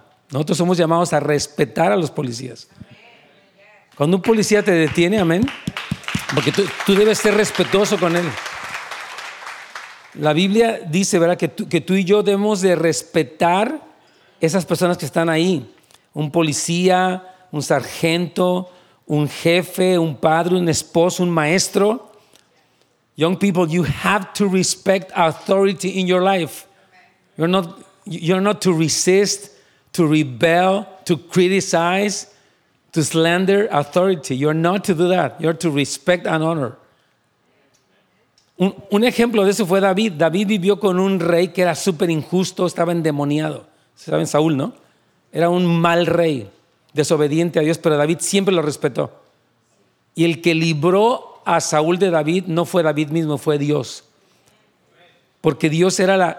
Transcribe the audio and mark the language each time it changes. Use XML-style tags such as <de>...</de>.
<es>Nosotros somos llamados a respetar a los policías. Cuando un policía te detiene, amén, porque tú debes ser respetuoso con él. La Biblia dice, ¿verdad?, que tú y yo debemos de respetar esas personas que están ahí. Un policía, un sargento, un jefe, un padre, un esposo, un maestro.</es> <en>Young people, you have to respect authority in your life. You're not to resist, to rebel, to criticize, to slander authority. You're not to do that. You're to respect and honor.</en> <es>Un ejemplo de eso fue David. David vivió con un rey que era súper injusto, estaba endemoniado. Se sabe en Saúl, ¿no? Era un mal rey, desobediente a Dios, pero David siempre lo respetó. Y el que libró a Saúl de David no fue David mismo, fue Dios. Porque Dios era la.</es>